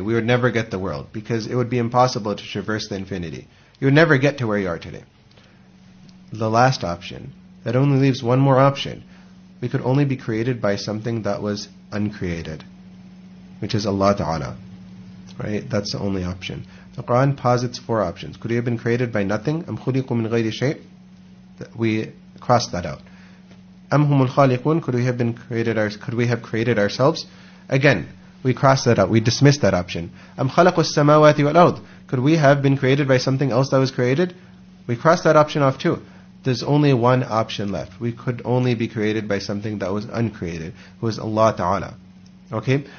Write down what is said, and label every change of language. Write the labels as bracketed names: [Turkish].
[English] We would never get the world because it would be impossible to traverse the infinity. You would never get to where you are today. The last option, that only leaves one more option. We could only be created by something that was uncreated, which is Allah Ta'ala. Right? That's the only option. The Quran posits four options. Could he have been created by nothing? [Arabic] أَمْ خُلِقُوا مِنْ غَيْرِ شَيْءٍ [English] We cross that out. [Arabic] أَمْ هُمُ الْخَالِقُونَ [English] Could we have created ourselves? Again, we cross that out. We dismiss that option. [Arabic] أَمْ خَلَقُوا السَّمَاوَاتِ وَالْأَرْضِ [English] Could we have been created by something else that was created? We cross that option off too. There's only one option left. We could only be created by something that was uncreated, who is Allah Ta'ala. Okay?